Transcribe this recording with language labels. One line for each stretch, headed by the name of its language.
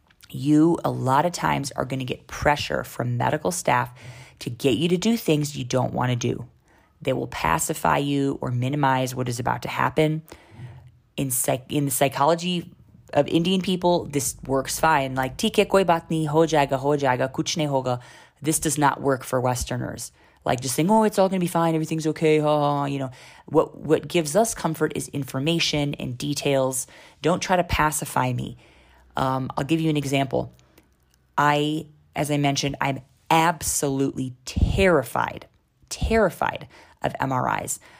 English: You, a lot of times, are going to get pressure from medical staff to get you to do things you don't want to do. They will pacify you or minimize what is about to happen. In the psychology of Indian people, this works fine.
Hindi: Like, "ठीक है, कोई बात नहीं, हो जायेगा, कुछ नहीं होगा."
English: This does not work for Westerners. Like, just saying, "Oh, it's all going to be fine, everything's okay, you know. What gives us comfort is information and details. Don't try to pacify me. I'll give you an example. As I mentioned, I'm absolutely terrified of MRIs.